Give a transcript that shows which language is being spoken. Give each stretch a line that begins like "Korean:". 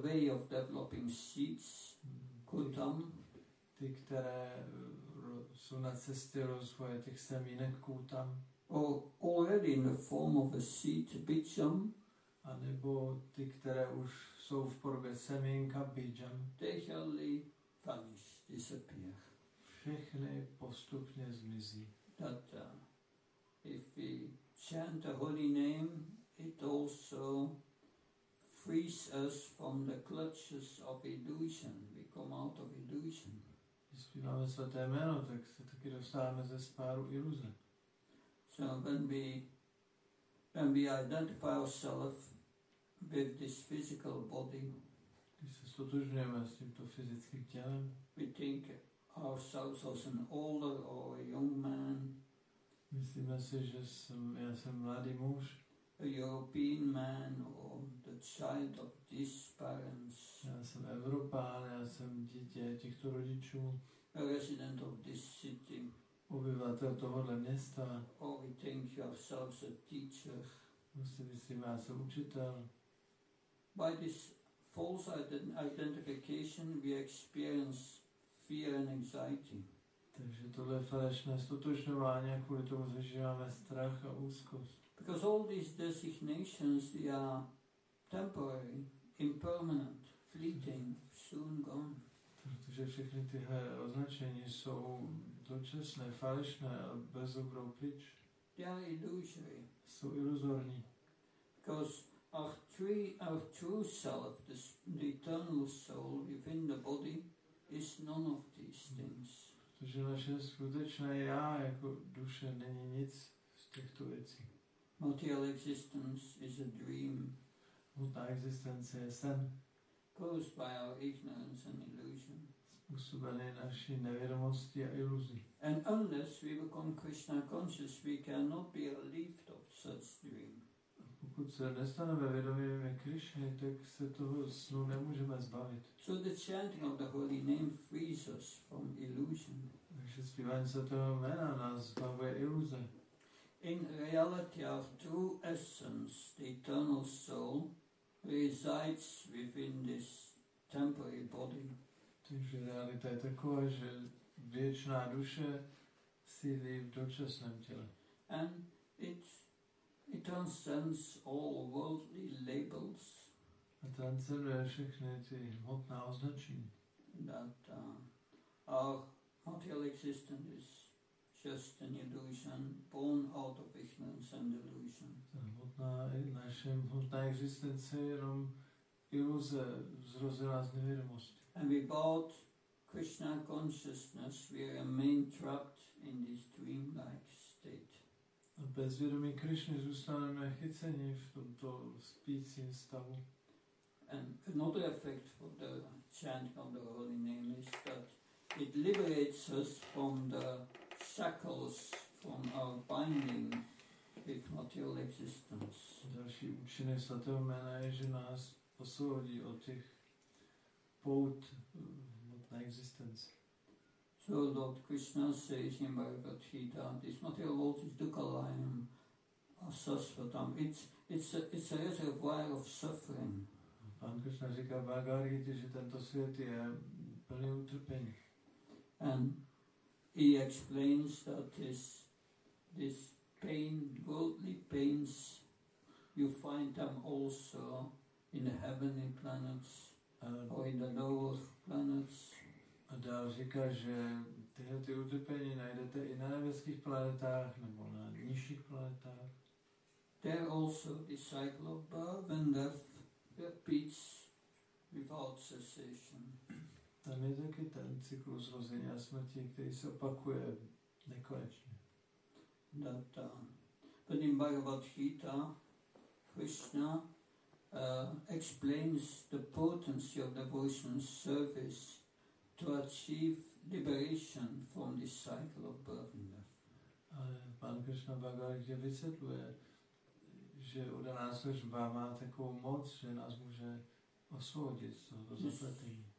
English: of developing seeds, kutam.
Czech: Ty, které jsou na cestě rozvoje těch semínek kutam.
English: Or already in the form of a seed, bijam.
Czech: A nebo ty, které už jsou v podobě semínka, bijam.
English: They shall vanish, disappear.
Czech: Všechny postupně zmizí.
English: That if we chant the holy name, it also frees us from the clutches of illusion. We come out of illusion.
Czech: Když zpíváme svaté jméno, tak se taky dostáváme ze spáru iluze.
English: So when we identify ourselves with this physical body,
Czech: když se stotožňujeme s tímto fyzickým tělem,
English: we think ourselves as an older or a young man.
Czech: Myslíme si, že já jsem mladý muž.
English: A European man or the child of these parents.
Czech: Já jsem Evropán, já jsem dítě těchto rodičů.
English: A resident of this city.
Czech: Obyvatel tohohle města.
English: Or we think ourselves a teacher.
Czech: Myslíme, já jsem učitel.
English: By this false identification we experience fear and anxiety.
Czech: Takže tohle falešné stotožňování, kvůli tomu zažíváme strach a úzkost.
English: Because all these designations, they are temporary, impermanent, fleeting, soon gone.
Czech: Protože všechny tyhle označení jsou dočasné, falešné a bezobrou pryč.
English: They are illusory.
Czech: Jsou iluzorní.
English: Because our true self, the eternal soul within the body, is none of these things.
Czech: Protože naše skutečné já jako duše není nic z těchto věcí.
English: Material existence is a dream.
Czech: Hmotná existence je sen.
English: Caused by our ignorance and illusion.
Czech: Způsobené naší nevědomosti a iluzí.
English: And unless we become Krishna conscious, we cannot be relieved of such dream.
Czech: Pokud se nestaneme vědomými Krishny, tak se toho snu nemůžeme zbavit.
English: So the chanting of the holy name frees us from illusion.
Czech: Takže zpívání svatého jména nás zbavuje iluze.
English: In reality, our true essence, the eternal soul, resides within this temporary body.
Czech: Takže realita je taková, že věčná duše sídlí v dočasném těle.
English: And it transcends all worldly labels.
Czech: A transcenduje všechny ty hmotná označení.
English: That our material existence is just an illusion, born out of ignorance and delusion.
Czech: Naše hmotná existence je jenom iluze, zrozená z nevědomosti.
English: And without Krishna consciousness, we remain trapped in this dream-like state.
Czech: A bez vědomí Krishny zůstaneme chyceni v tomto spícím stavu.
English: And another effect of the chanting of the holy name is that it liberates us from the shackles from our binding with material existence.
Czech: Další účinek svatého jména je, že nás osvobodí od těch pout hmotné existence.
English: So Lord Krishna says in Bhagavad Gita, this material world is
Sanskrit: dukkalayam, asasvatam.
English: It's a reservoir of suffering.
Czech: Pan Krishna říká Bhagavad Gita, že tento svět je plný utrpení.
English: And he explains that this pain, worldly pains, you find them also in the heavenly planets or in the lower planets.
Czech: A dál říká, že tyhle ty utrpení najdete i na nebeských planetách nebo na nižších planetách.
English: There also the cycle of birth and death repeats without cessation.
Czech: Tam je taky ten cyklus rození a smrti, který se opakuje nekonečně.
English: That, but in Bhagavad Gita, Krishna explains the potency of devotion's service to achieve liberation from this cycle of birth and death.
Czech: Ale pan Krishna Bhagavad Gita vysvětluje, že udaná služba má takovou moc, že nás může osvobodit z toho zapletení.